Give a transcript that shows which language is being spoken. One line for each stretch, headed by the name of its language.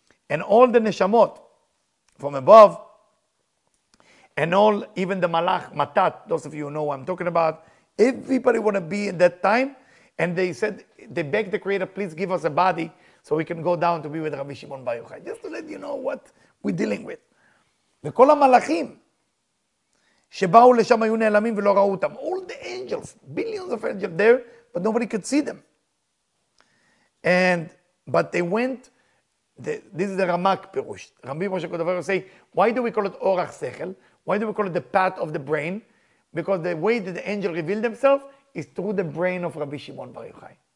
English: And all the neshamot from above, and all, even the malach, matat, those of you who know what I'm talking about, everybody want to be in that time. And they said, they begged the Creator, please give us a body so we can go down to be with Rabbi Shimon Bar Yochai. Just to let you know what we're dealing with.
Hebrew: וכל המלאכים שבאו לשם היו נעלמים ולא ראו אותם.
English: All the angels, billions of angels there, but nobody could see them. But they went, this is the Ramak Pirush. Rambi Moshe Kodavar say, why do we call it Orach Sechel? Why do we call it the path of the brain? Because the way that the angel revealed themselves is through the brain of Rabbi Shimon Bar Yochai.